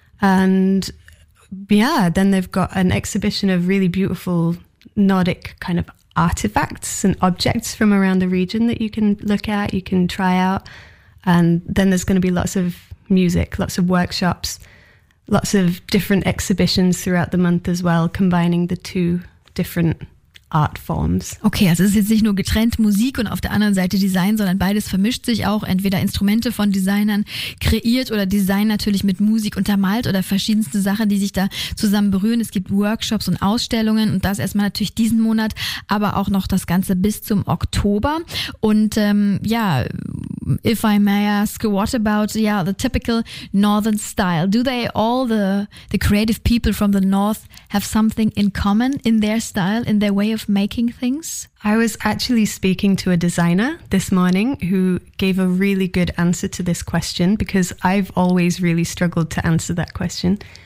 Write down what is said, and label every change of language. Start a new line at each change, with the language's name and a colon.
English: And yeah, then they've got an exhibition of really beautiful Nordic kind of artifacts and objects from around the region that you can look at, you can try out. And then there's going to be lots of music, lots of workshops, lots of different exhibitions throughout the month as well, combining the two different art forms.
German: Okay, also es ist jetzt nicht nur getrennt Musik und auf der anderen Seite Design, sondern beides vermischt sich auch. Entweder Instrumente von Designern kreiert oder Design natürlich mit Musik untermalt oder verschiedenste Sachen, die sich da zusammen berühren. Es gibt Workshops und Ausstellungen und das erstmal natürlich diesen Monat, aber auch noch das Ganze bis zum Oktober. Und
English: if I may ask, what about the typical Northern style? Do they all, the creative people from the North, have something in common in their style, in their way of making things? I was actually speaking to a designer this morning who gave a really good answer to this question, because I've always really struggled to answer that question.